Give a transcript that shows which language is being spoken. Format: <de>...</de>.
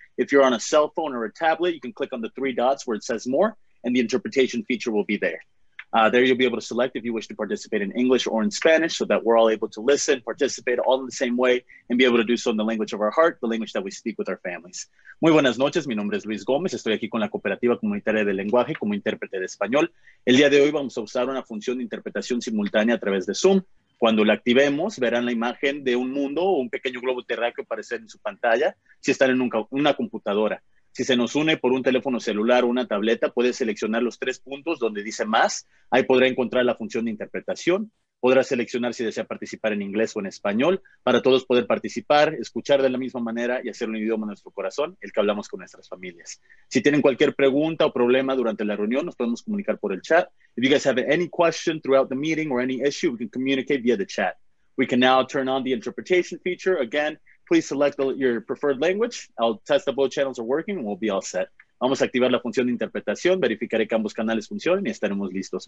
<en>If you're on a cell phone or a tablet, you can click on the three dots where it says more, and the interpretation feature will be there. There you'll be able to select if you wish to participate in English or in Spanish so that we're all able to listen, participate all in the same way, and be able to do so in the language of our heart, the language that we speak with our families.</en> <es>Muy buenas noches, mi nombre es Luis Gómez. Estoy aquí con la Cooperativa Comunitaria del Lenguaje como intérprete de español. El día de hoy vamos a usar una función de interpretación simultánea a través de Zoom. Cuando la activemos, verán la imagen de un mundo o un pequeño globo terráqueo aparecer en su pantalla si están en una computadora. Si se nos une por un teléfono celular o una tableta, puede seleccionar los tres puntos donde dice más. Ahí podrá encontrar la función de interpretación. Podrá seleccionar si desea participar en inglés o en español para todos poder participar, escuchar de la misma manera y hacer un idioma en nuestro corazón, el que hablamos con nuestras familias. Si tienen cualquier pregunta o problema durante la reunión, nos podemos comunicar por el chat.</es> <en>If you guys have any question throughout the meeting or any issue, we can communicate via the chat. We can now turn on the interpretation feature again. Please select your preferred language. I'll test that both channels are working and we'll be all set.</en> <es>Vamos a activar la función de interpretación. Verificaré que ambos canales funcionen y estaremos listos.</es>